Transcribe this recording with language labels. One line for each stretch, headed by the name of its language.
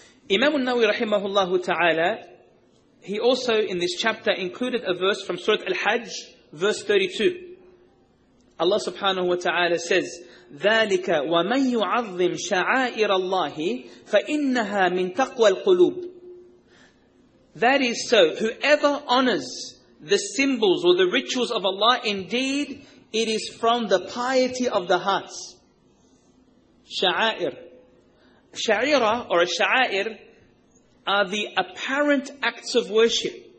English: Imam al-Nawawi rahimahullah ta'ala, he also in this chapter included a verse from Surah Al-Hajj, verse 32. Allah subhanahu wa ta'ala says,
Arabic: ذَلِكَ وَمَنْ يُعَظِّمْ شَعَائِرَ اللَّهِ فَإِنَّهَا مِنْ تَقْوَى الْقُلُوبِ.
English: That is so. Whoever honors the symbols or the rituals of Allah, indeed, it is from the piety of the hearts. Sha'air. Sha'ira or a sha'air are the apparent acts of worship.